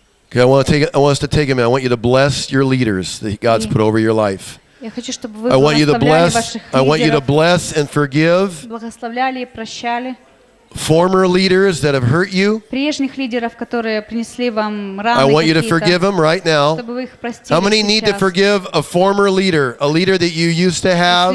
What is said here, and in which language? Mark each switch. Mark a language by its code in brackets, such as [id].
[en] Okay, I want us to take a minute. I want you to bless your leaders that God's put over your life. I want you to bless and forgive [ru] благословляли и прощали [en] former leaders that have hurt you. [ru] Прежних лидеров, которые принесли вам раны. [en] I want you to forgive them right now. [ru] Чтобы вы их простили. [en] How many [ru] сейчас? [en] Need to forgive a former leader, a leader that you used to have?